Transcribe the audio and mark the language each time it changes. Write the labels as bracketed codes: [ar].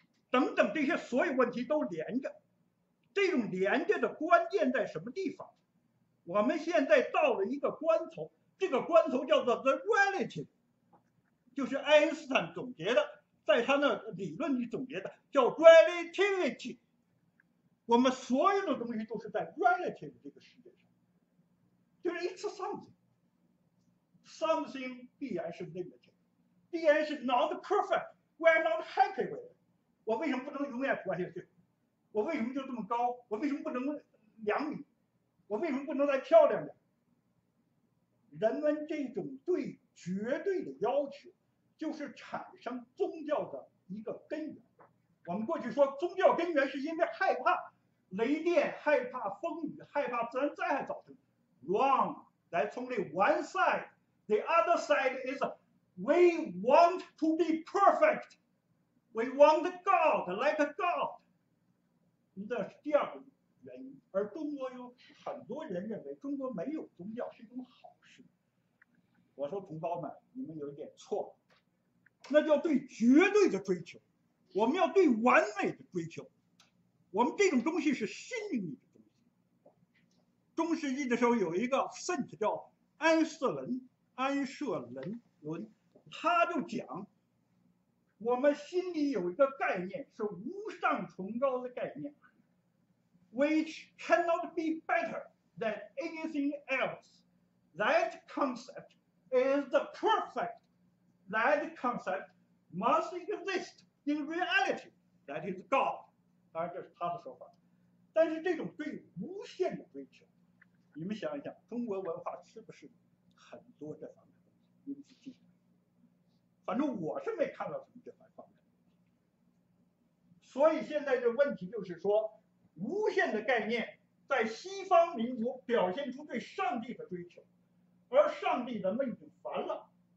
[zh] 等等，这些所有问题都连着。这种连接的关键在什么地方？我们现在到了一个关头，这个关头叫做 the reality， 就是爱因斯坦总结的，在他那理论里总结的叫 relativity。我们所有的东西都是在 relative 这个世界上，就是 it's something， something 必然是 limited， 必然是 not perfect， we're not happy with it。我为什么不能永远活下去？我为什么就这么高？我为什么不能两米？我为什么不能再漂亮点？人们这种对绝对的要求，就是产生宗教的一个根源。我们过去说宗教根源是因为害怕雷电，害怕风雨，害怕自然灾害造成。 [en] Wrong， that's only one side. The other side is we want to be perfect. We want God like God. 那是第二个原因。 [zh] 而中国有很多人认为中国没有宗教是一种好事。我说同胞们，你们有一点错，那叫对绝对的追求，我们要对完美的追求。我们这种东西是心灵的东西。中世纪的时候有一个 saint 叫安瑟伦，安瑟伦伦，他就讲，我们心里有一个概念是无上崇高的概念。 [en] Which cannot be better than anything else. That concept is the perfect. That concept must exist in reality. [zh] That is God. 当然这是他的说法。但是这种对无限的追求，你们想一想，中国文化是不是很多这方面的东西？你们去记住。反正我是没看到什么这方面。所以现在的问题就是说，无限的概念在西方民族表现出对上帝的追求，而上帝人们已经烦了。